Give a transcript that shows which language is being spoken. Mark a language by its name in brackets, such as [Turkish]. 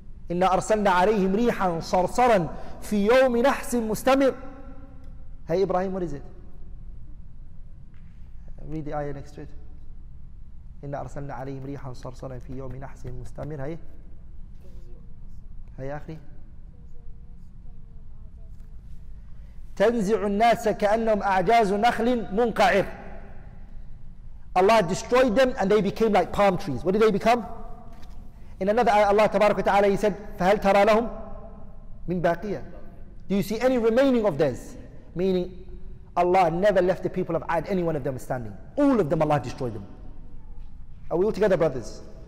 [Arabic] إِنَّا أَرْسَلْنَا عَلَيْهِمْ رِيحًا صَرْصَرًا فِي يَوْمِ نَحْسٍ مُسْتَمِرٍ. [English] Hey Ibrahim, what is it? Read the ayah next to it. [Arabic] إِنَّا أَرْسَلْنَا عَلَيْهِمْ رِيحًا صَرْصَرًا فِي يَوْمِ نَحْسٍ مُسْتَمِرٍ. [English] Hey, hey [Arabic] آخري. تنزع الناس كأنهم أعجاز نخل منقعر. [English] Allah destroyed them and they became like palm trees. What did they become? In another ayah, Allah tabarak wa ta'ala, He said, [Arabic] فَهَلْ تَرَى لَهُمْ مِنْ بَاقِيَةٍ. [English] Do you see any remaining of theirs? Meaning, Allah never left the people of Ad, any one of them standing. All of them, Allah destroyed them. Are we all together, brothers?